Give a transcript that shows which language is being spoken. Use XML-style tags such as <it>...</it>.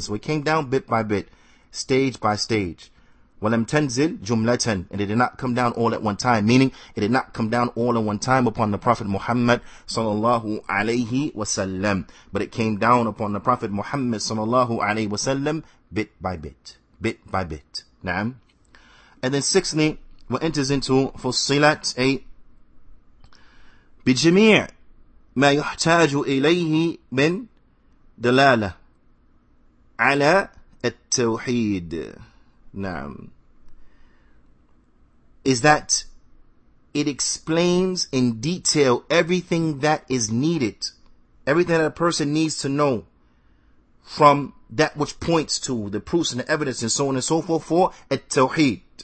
<en>So it came down bit by bit, stage by stage.</en> <ar>ولم تنزل جملة,</ar> <en>and it did not come down all at one time. Meaning it did not come down all at one time upon the Prophet Muhammad sallallahu alayhi wasallam. But it came down upon the Prophet Muhammad sallallahu alayhi wasallam bit by bit, bit by bit.</en> <ar>Naam.</ar> <en>And then sixthly, what enters into</en> <ar>فصلت بجميع ما يحتاج إليه من دلالة على التوحيد. Naam.</ar> <en>Is that it explains in detail everything that is needed, everything that a person needs to know from that which points to the proofs and the evidence and so on and so forth for at-tawheed.</en>